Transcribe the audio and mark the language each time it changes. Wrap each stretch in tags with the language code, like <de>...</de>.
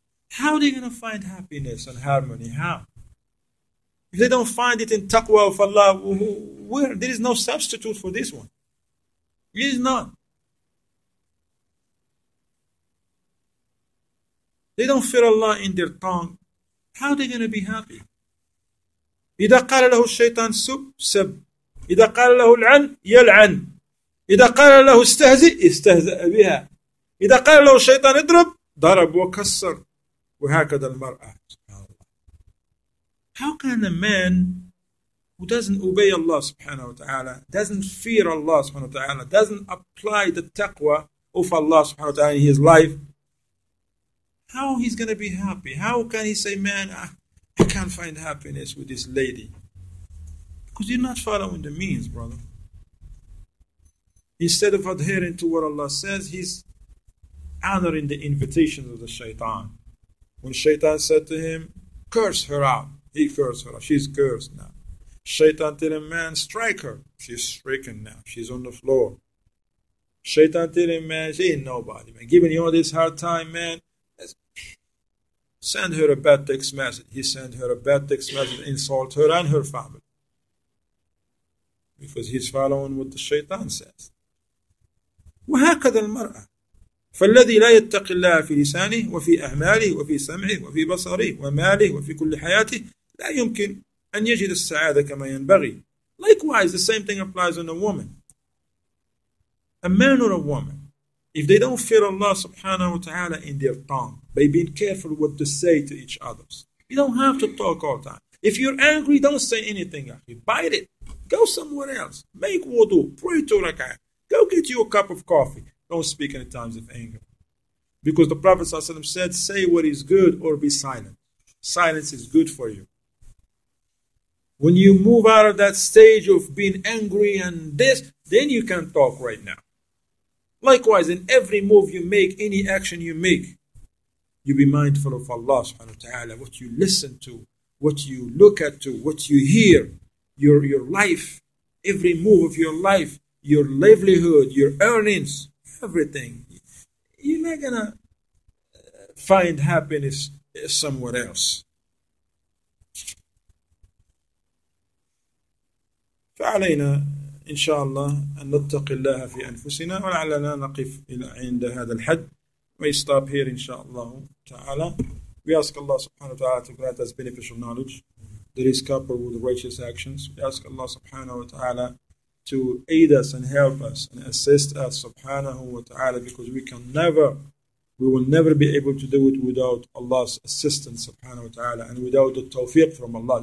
<en>How are they going to find happiness and harmony? How? If they don't find it in taqwa of Allah, where? There is no substitute for this one. There is none. They don't fear Allah in their tongue. How are they going to be happy?</en> <ar>إِذَا قَالَ لَهُ الشَّيْطَانُ سُبْ سَبْ إِذَا قَالَ لَهُ الْعَنْ يَلْعَنْ إذا قال له استهزئ استهزأ بها إذا قال له الشيطان اضرب ضرب وكسر وهكذا المرأة.</ar> <en>How can a man who doesn't obey Allah subhanahu wa ta'ala, doesn't fear Allah subhanahu wa ta'ala, doesn't apply the taqwa of Allah subhanahu wa ta'ala in his life, how he's going to be happy? How can he say, man, I can't find happiness with this lady? Because you're not following the means, brother. Instead of adhering to what Allah says, he's honoring the invitations of the shaitan. When shaitan said to him, curse her out, he cursed her out. She's cursed now. Shaitan tell him, man, strike her. She's stricken now. She's on the floor. Shaitan tell him, man, she ain't nobody. Man, giving you all this hard time, man, send her a bad text message. He sent her a bad text message, insult her and her family. Because he's following what the shaitan says.</en> <ar>وهكذا المرأة فالذي لا يتقي الله في لسانه وفي أعماله وفي سمعه وفي بصره وماله وفي كل حياته لا يمكن أن يجد السعادة كما ينبغي.</ar> <en>Likewise, the same thing applies on a woman. A man or a woman, if they don't fear Allah subhanahu wa ta'ala in their tongue, by being careful what to say to each other, you don't have to talk all the time. If you're angry, don't say anything. Bite it. Go somewhere else. Make wudu. Pray to rak'ah. Go get you a cup of coffee. Don't speak in times of anger. Because the Prophet ﷺ said, say what is good or be silent. Silence is good for you. When you move out of that stage of being angry and this, then you can talk right now. Likewise, in every move you make, any action you make, you be mindful of Allah subhanahu wa ta'ala, what you listen to, what you look at to, what you hear, your life, every move of your life, your livelihood, your earnings, everything. You're not going to find happiness somewhere else.</en> <ar>فعلينا إن شاء الله أن نتقي الله في أنفسنا ولعلنا نقف عند هذا الحد.</ar> <en>We stop here</en> <ar>إن شاء الله تعالى.</ar> <en>We ask Allah subhanahu wa ta'ala to grant us beneficial knowledge that is coupled with righteous actions. We ask Allah subhanahu wa ta'ala to aid us and help us and assist us subhanahu wa ta'ala, because we will never be able to do it without Allah's assistance subhanahu wa ta'ala and without the tawfiq from Allah.</en>